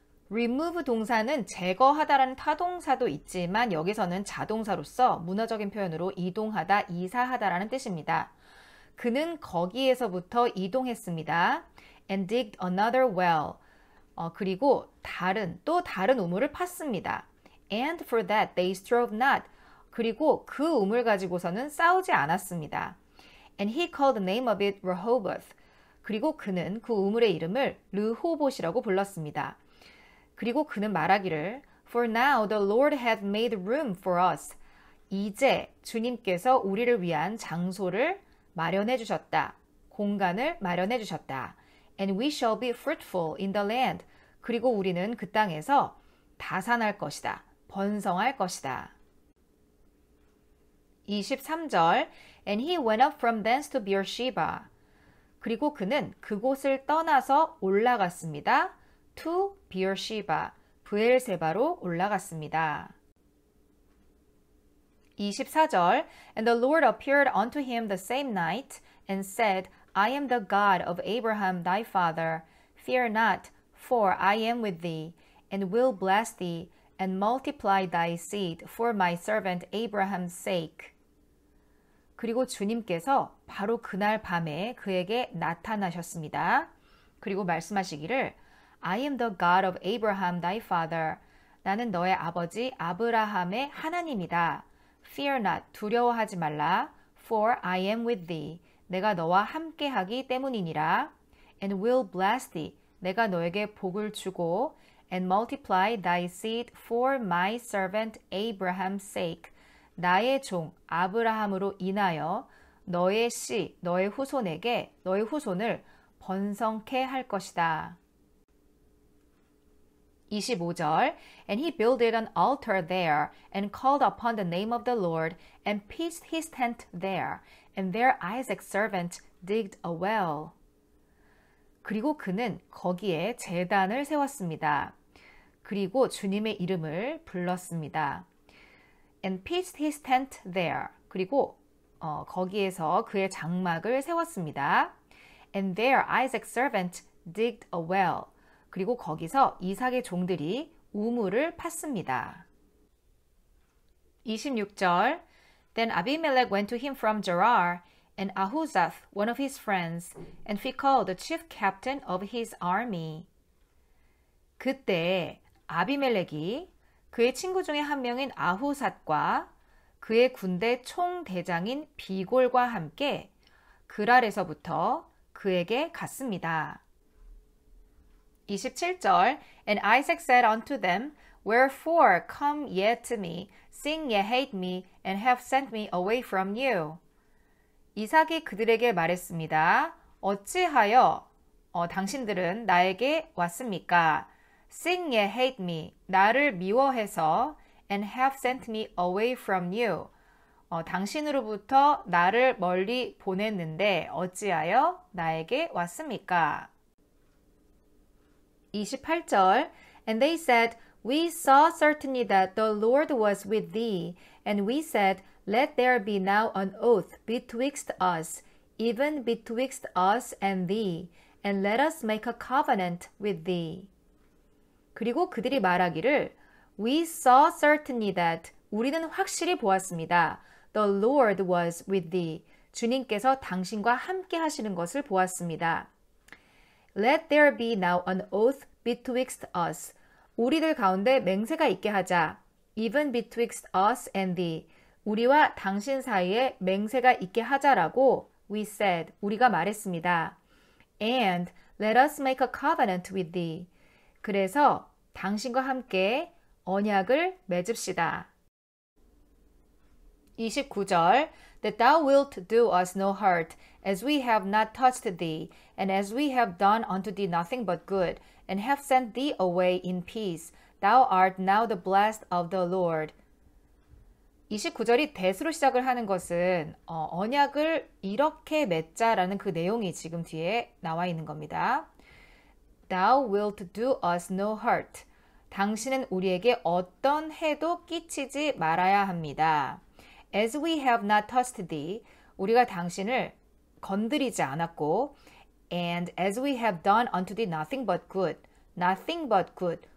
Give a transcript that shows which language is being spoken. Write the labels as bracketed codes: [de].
[ko] Remove 동사는 제거하다라는 타동사도 있지만 여기서는 자동사로서 문화적인 표현으로 이동하다, 이사하다라는 뜻입니다. 그는 거기에서부터 이동했습니다. [en] And digged another well. [ko] 그리고 또 다른 우물을 팠습니다. [en] And for that they strove not. [ko] 그리고 그 우물 가지고서는 싸우지 않았습니다. [en] And he called the name of it Rehoboth. [ko] 그리고 그는 그 우물의 이름을 르호봇이라고 불렀습니다. 그리고 그는 말하기를 [en] For now the Lord hath made room for us. [ko] 이제 주님께서 우리를 위한 장소를 마련해 주셨다. 공간을 마련해 주셨다. [en] And we shall be fruitful in the land. [ko] 그리고 우리는 그 땅에서 다산할 것이다. 번성할 것이다. [en] 23절 And he went up from thence to Beersheba. [ko] 그리고 그는 그곳을 떠나서 올라갔습니다. To Beersheba, 부엘세바로 올라갔습니다. [en] 24절 And the Lord appeared unto him the same night and said, I am the God of Abraham thy father. Fear not, for I am with thee, and will bless thee, and multiply thy seed for my servant Abraham's sake. [ko] 그리고 주님께서 바로 그날 밤에 그에게 나타나셨습니다. 그리고 말씀하시기를 [en] I am the God of Abraham thy father. [ko] 나는 너의 아버지 아브라함의 하나님이다. [en] Fear not, [ko] 두려워하지 말라, [en] for I am with thee. [ko] 내가 너와 함께 하기 때문이니라. [en] And will bless thee. [ko] 내가 너에게 복을 주고 [en] And multiply thy seed for my servant Abraham's sake. [ko] 나의 종 아브라함으로 인하여 너의 씨, 너의 후손에게 너의 후손을 번성케 할 것이다. [en] 25절 And he builded an altar there and called upon the name of the Lord and pitched his tent there. And there Isaac's servant digged a well. [ko] 그리고 그는 거기에 제단을 세웠습니다. 그리고 주님의 이름을 불렀습니다. [en] And pitched his tent there. [ko] 그리고 거기에서 그의 장막을 세웠습니다. [en] And there Isaac's servant digged a well. [ko] 그리고 거기서 이삭의 종들이 우물을 팠습니다. [en] 26절 Then Abimelech went to him from Gerar, and Ahuzath, one of his friends, and Phicol, the chief captain of his army. [ko] 그때 아비멜렉이 그의 친구 중에 한 명인 아후삿과 그의 군대 총대장인 비골과 함께 그랄에서부터 그에게 갔습니다. [en] 27절 And Isaac said unto them, Wherefore come ye to me, seeing ye hate me, and have sent me away from you? [ko] 이삭이 그들에게 말했습니다. 어찌하여 당신들은 나에게 왔습니까? [en] Seeing ye hate me, [ko] 나를 미워해서, [en] and have sent me away from you. [ko] 당신으로부터 나를 멀리 보냈는데 어찌하여 나에게 왔습니까? [en] 28절 And they said, We saw certainly that the Lord was with thee, and we said, Let there be now an oath betwixt us, even betwixt us and thee, and let us make a covenant with thee. [ko] 그리고 그들이 말하기를, [en] We saw certainly that [ko] 우리는 확실히 보았습니다. [en] The Lord was with thee. [ko] 주님께서 당신과 함께 하시는 것을 보았습니다. [en] Let there be now an oath betwixt us. [ko] 우리들 가운데 맹세가 있게 하자. [en] Even betwixt us and thee. [ko] 우리와 당신 사이에 맹세가 있게 하자라고 [en] we said, [ko] 우리가 말했습니다. [en] And let us make a covenant with thee. [ko] 그래서 당신과 함께 언약을 맺읍시다. [en] 29절 That thou wilt do us no hurt, as we have not touched thee, and as we have done unto thee nothing but good, and have sent thee away in peace. Thou art now the blessed of the Lord. [ko] 29절이 대수로 시작을 하는 것은 언약을 이렇게 맺자라는 그 내용이 지금 뒤에 나와 있는 겁니다. [en] Thou wilt do us no hurt. [ko] 당신은 우리에게 어떤 해도 끼치지 말아야 합니다. [en] As we have not touched thee, [ko] 우리가 당신을 건드리지 않았고, [en] and as we have done unto thee nothing but good,